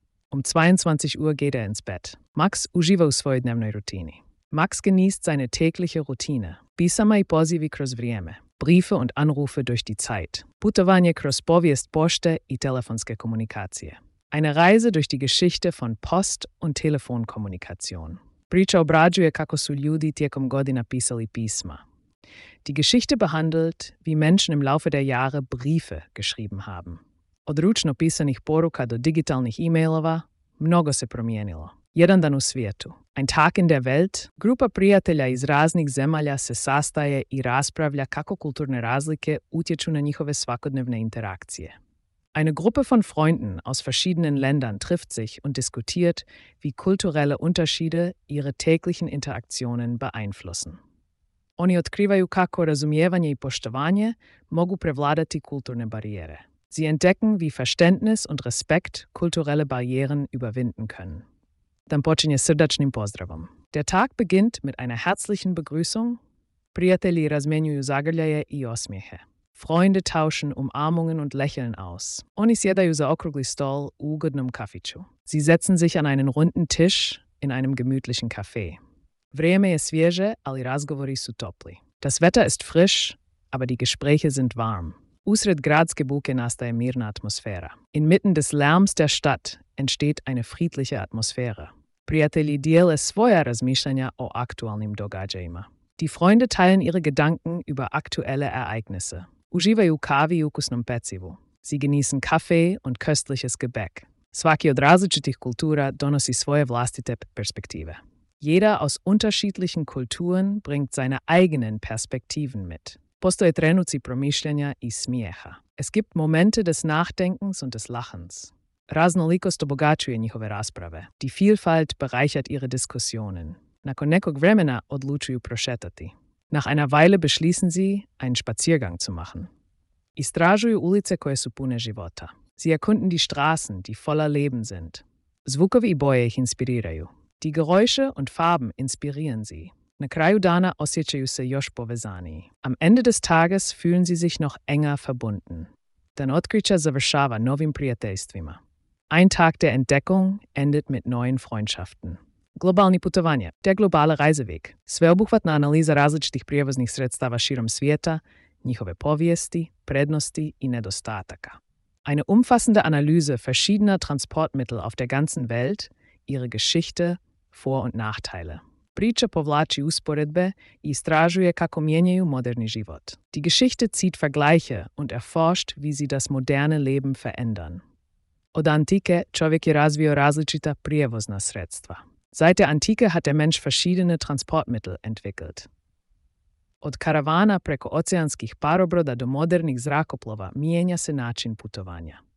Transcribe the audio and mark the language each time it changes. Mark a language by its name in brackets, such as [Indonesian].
[German] Um 22 Uhr geht er ins Bett. [Croatian] Max uživa u svojoj dnevnoj rutini. [German] Max genießt seine tägliche Routine. [Croatian] Pisama i pozivi kroz vrijeme. [German] Briefe und Anrufe durch die Zeit. [Croatian] Putovanje kroz povijest pošte i telefonske komunikacije. [German] Eine Reise durch die Geschichte von Post- und Telefonkommunikation. [Croatian] Priča obrađuje kako su ljudi tijekom godina pisali pisma. [German] Die Geschichte behandelt, wie Menschen im Laufe der Jahre Briefe geschrieben haben. [Croatian] Od ručno pisanih poruka do digitalnih e-mailova, mnogo se promijenilo. Jedan dan u svijetu, [German] Ein Tag in der Welt, [Croatian] grupa prijatelja iz raznih zemalja se sastaje i raspravlja kako kulturne razlike utječu na njihove svakodnevne interakcije. [German] Eine Gruppe von Freunden aus verschiedenen Ländern trifft sich und diskutiert, wie kulturelle Unterschiede ihre täglichen Interaktionen beeinflussen. [Croatian] Oni otkrivaju kako razumijevanje i poštovanje mogu prevladati kulturne barijere. [German] Sie entdecken, wie Verständnis und Respekt kulturelle Barrieren überwinden können. [Croatian] Dann počinje srdačnim pozdravom. [German] Der Tag beginnt mit einer herzlichen Begrüßung. [Croatian] Prijatelji razmenjuju zagrljaje i osmijehe. [German] Freunde tauschen Umarmungen und Lächeln aus. [Croatian] Oni sjedaju za okrugli stol u ugodnom kafiću. [German] Sie setzen sich an einen runden Tisch in einem gemütlichen Café. [Croatian] Vrijeme je svježe, ali razgovori su topli. [German] Das Wetter ist frisch, aber die Gespräche sind warm. [Croatian] Usred gradske buke nastaje mirna atmosfera. [German] Inmitten des Lärms der Stadt entsteht eine friedliche Atmosphäre. [Croatian] Prijatelji dijele svoja razmišljanja o aktualnim događajima. [German] Die Freunde teilen ihre Gedanken über aktuelle Ereignisse. [Croatian] Uživaju kavi i ukusnom pecivu. [German] Sie genießen Kaffee und köstliches Gebäck. [Croatian] Svaki od različitih kultura donosi svoje vlastite perspektive. [German] Jeder aus unterschiedlichen Kulturen bringt seine eigenen Perspektiven mit. [Croatian] Postoje trenuci promišljanja i smijeha. [German] Es gibt Momente des Nachdenkens und des Lachens. [Croatian] Raznolikost obogačuje njihove rasprave. [German] Die Vielfalt bereichert ihre Diskussionen. [Croatian] Nakon nekog vremena odlučuju prošetati. [German] Nach einer Weile beschließen sie, einen Spaziergang zu machen. [Croatian] Istražuju ulice koje su pune života. [German] Sie erkunden die Straßen, die voller Leben sind. [Croatian] Zvukovi i boje ih inspiriraju. [German] Die Geräusche und Farben inspirieren sie. [Croatian] Na kraju dana osjećaju se još povezani. [German] Am Ende des Tages fühlen sie sich noch enger verbunden. [Croatian] Dan otkrića završava novim prijateljstvima. [German] Ein Tag der Entdeckung endet mit neuen Freundschaften. [Croatian] Globalni putovanje, [German] der globale Reiseweg. [Croatian] Sveobuhvatna analiza različitih prijevoznih sredstava širom svijeta, njihove povijesti, prednosti i nedostataka. [German] Eine umfassende Analyse verschiedener Transportmittel auf der ganzen Welt, ihre Geschichte, Vor- und Nachteile. [Croatian] Priča povlači usporedbe i istražuje kako mijenjaju moderni život. [German] Die Geschichte zieht Vergleiche und erforscht, wie sie das moderne Leben verändern. [Croatian] Od antike čovjek je razvio različita prijevozna sredstva. [German] Seit der Antike hat der Mensch verschiedene Transportmittel entwickelt. [Croatian] Od karavana preko oceanskih parobroda do modernih zrakoplova mijenja se način putovanja.